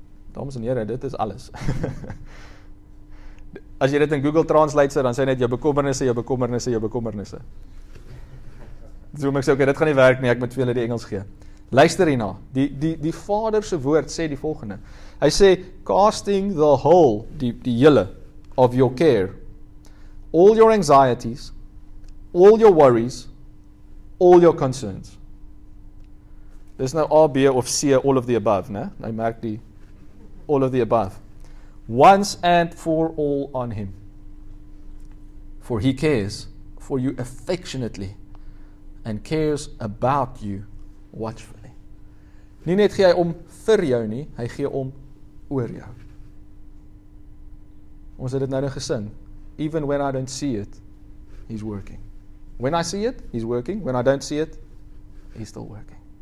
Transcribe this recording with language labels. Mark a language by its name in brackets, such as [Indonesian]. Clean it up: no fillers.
[Afrikaans] Dames en here, dit is alles. As jy dit in Google Translate sê, dan sê net jou bekommernisse, jou bekommernisse, jou bekommernisse. So ek sê, okay, dit gaan nie werk nie, ek moet vir julle die Engels gee. Luister hierna, die Vader se woord sê die volgende. Hy sê, [English] casting the whole, [Afrikaans] die hele, [English] of your care, all your anxieties, all your worries, all your concerns. [Afrikaans] Dis nou A, B of C, [English] all of the above, [Afrikaans] ne? Nou merk die, all of the above. [English] Once and for all on him. For he cares for you affectionately and cares about you watchfully. [Afrikaans] Nie net gee hy om vir jou nie, hy gee om oor jou. Ons het dit nou gesing. [English] Even when I don't see it, he's working. When I see it, he's working. When I don't see it, he's still working.